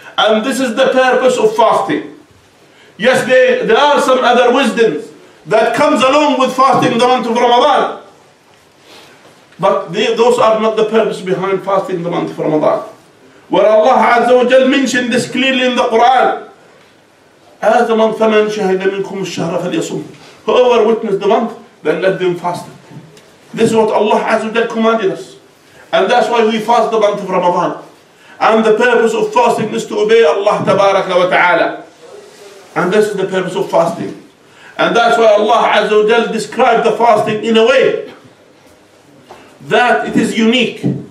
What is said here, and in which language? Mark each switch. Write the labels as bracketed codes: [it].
[en] And this is the purpose of fasting. Yes, there are some other wisdoms that comes along with fasting the month of Ramadan. But those are not the purpose behind fasting the month of Ramadan. Where Allah Azza wa Jal mentioned this clearly in the Quran. As the month, [ar] فَمَنْ شَهِدَ مِنْكُمْ الشَّهْرَ فَلْيَصُمْ. [en] Whoever witnessed the month, then let them fast. This is what Allah Azza wa Jal commanded us. And that's why we fast the month of Ramadan. And the purpose of fasting is to obey Allah Tabaraka wa Ta'ala. And this is the purpose of fasting. And that's why Allah Azza wa Jal described the fasting in a way that it is unique.